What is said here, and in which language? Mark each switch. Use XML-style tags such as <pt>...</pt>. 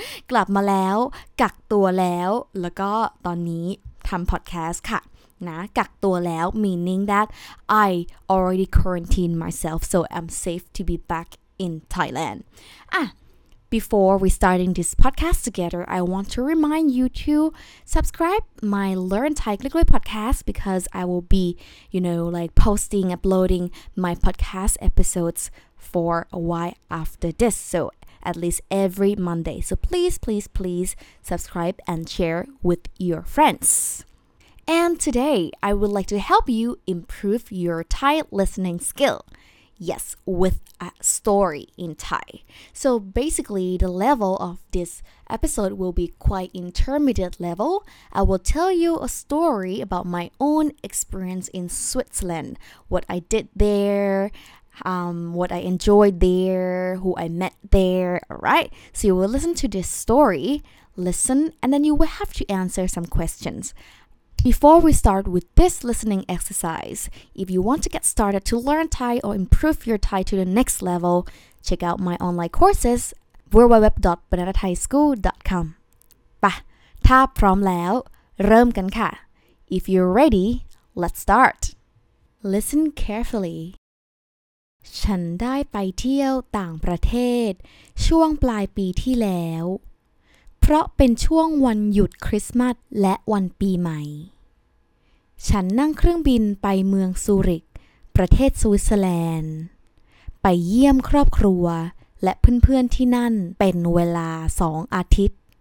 <th>กลับมาแล้วกักตัวแล้ว</th> <en>แล้วก็ตอนนี้ทำพอดแคสต์ค่ะนะกักตัวแล้ว meaning that I already quarantine myself so I'm safe to be back in Thailand Before we starting this podcast together, I want to remind you to subscribe my Learn Thai Glue Glue podcast because I will be, you know, like posting, uploading my podcast episodes for a while after this. So at least every Monday. So please, please, please subscribe and share with your friends. And today I would like to help you improve your Thai listening skill. Yes, with a story in Thai. So basically, the level of this episode will be quite intermediate level. I will tell you a story about my own experience in Switzerland. What I did there, what I enjoyed there, who I met there, alright? So you will listen to this story, listen, and then you will have to answer some questions. Before we start with this listening exercise, if you want to get started to learn Thai or improve your Thai to the next level, check out my online courses, www.bananathaischool.com.</en> <th>ไป ถ้าพร้อมแล้ว เริ่มกันค่ะ</th> <en>If you're ready, let's start. Listen carefully.</en> <th>ฉันได้ไปเที่ยวต่างประเทศช่วงปลายปีที่แล้วเพราะเป็นช่วงวันหยุดคริสต์มาสและวันปีใหม่ฉันนั่งเครื่องบินไปเมืองซูริกประเทศสวิตเซอร์แลนด์ไปเยี่ยมครอบครัวและเพื่อนๆที่นั่นเป็นเวลา2อาทิตย์</th>